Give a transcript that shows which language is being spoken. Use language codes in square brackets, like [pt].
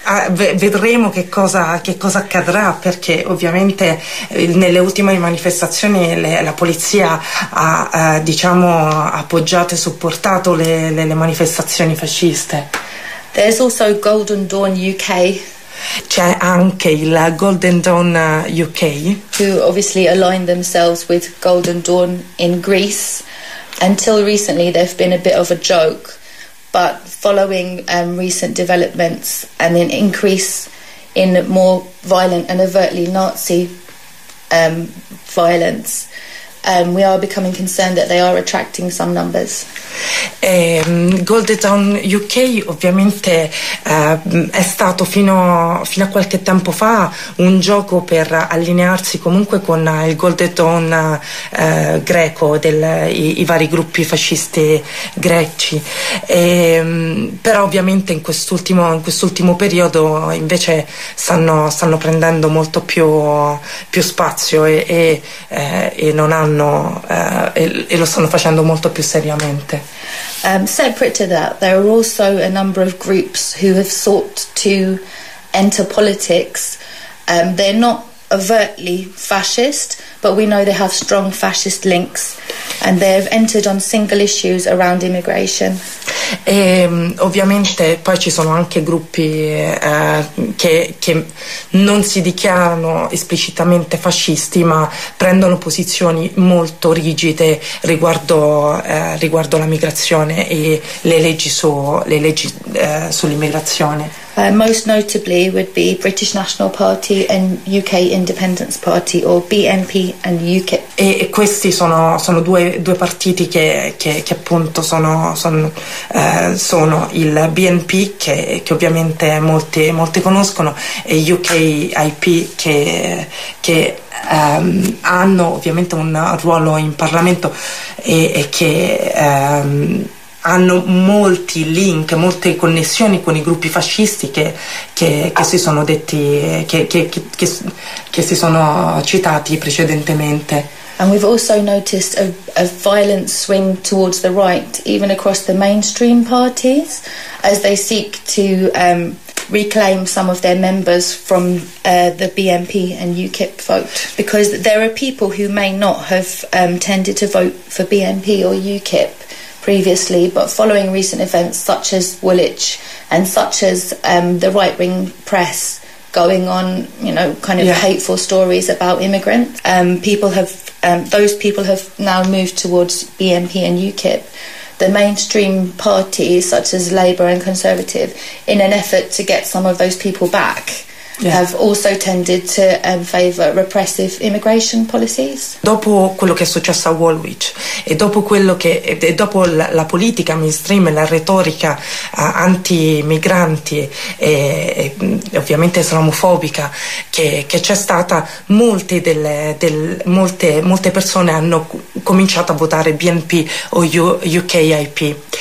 [it] Vedremo che cosa accadrà, perché ovviamente nelle ultime manifestazioni la polizia ha diciamo appoggiato e supportato le manifestazioni fasciste. [en] There's also Golden Dawn UK. [it] C'è anche il Golden Dawn UK, [en] who obviously aligned themselves with Golden Dawn in Greece. Until recently they've been a bit of a joke, but following recent developments and an increase in more violent and overtly Nazi violence, we are becoming concerned that they are attracting some numbers. [it] Golden Dawn UK ovviamente è stato fino a qualche tempo fa un gioco per allinearsi comunque con il Golden Dawn greco dei vari gruppi fascisti greci, però ovviamente in quest'ultimo periodo invece stanno prendendo molto più spazio e lo stanno facendo molto più seriamente. [en] Separate to that, there are also a number of groups who have sought to enter politics. They're not overtly fascist, but we know they have strong fascist links and they have entered on single issues around immigration. [it] E, ovviamente poi ci sono anche gruppi che non si dichiarano esplicitamente fascisti ma prendono posizioni molto rigide riguardo la migrazione e le leggi sull'immigrazione. [en] Most notably would be British National Party and UK Independence Party or BNP and UKIP. [it] E questi sono due partiti che appunto sono il BNP che ovviamente molti conoscono e UKIP che hanno ovviamente un ruolo in Parlamento e che hanno molti link, molte connessioni con i gruppi fascisti che si sono citati precedentemente. [en] And we've also noticed a violent swing towards the right, even across the mainstream parties, as they seek to reclaim some of their members from the BNP and UKIP vote, because there are people who may not have tended to vote for BNP or UKIP previously, but following recent events such as Woolwich and such as the right-wing press going on, you know, kind of yeah. hateful stories about immigrants, those people have now moved towards BNP and UKIP, the mainstream parties such as Labour and Conservative, in an effort to get some of those people back. Yeah. Have also tended to favor repressive immigration policies. [it] Dopo quello che è successo a Woolwich e dopo quello che e dopo la politica mainstream e la retorica anti-migranti e ovviamente islamofobica che c'è stata, molte persone hanno cominciato a votare BNP o UKIP.